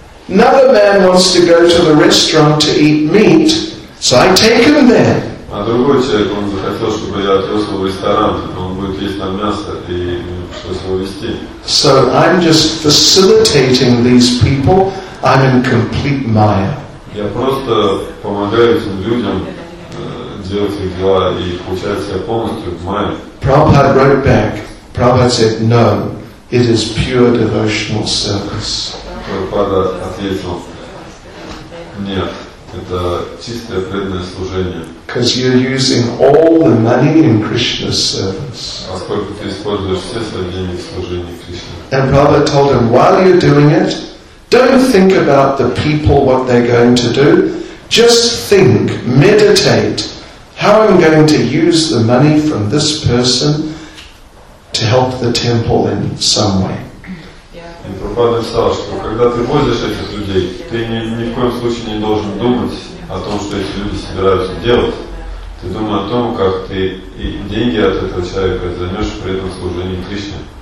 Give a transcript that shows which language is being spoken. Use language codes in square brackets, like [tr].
[en] Another man wants to go to the restaurant to eat meat, so I take him there. [ru] А другой человек, он захотел, чтобы я отвез его в ресторан, он будет есть там мясо и [en] So I'm just facilitating these people. I'm in complete Maya. [ru] Я просто помогаю этим людям делать их дела и получать себя полностью в Maya. [en] Prabhupada wrote back. Prabhupada said, "No, it is pure devotional service." [ru] Prabhupada ответил, "Нет, это чистое преданное служение." [en] Because you're using all the money in Krishna's service. And Prabhupada told him, while you're doing it, don't think about the people, what they're going to do. Just think, meditate, how I'm going to use the money from this person to help the temple in some way. [ru] И Прабхупада сказал, что когда ты возишь этих людей, ты ни в коем случае не должен думать о том, что эти люди собираются делать. Ты думай о том, как ты и деньги от этого человека займешь при этом служении Кришне.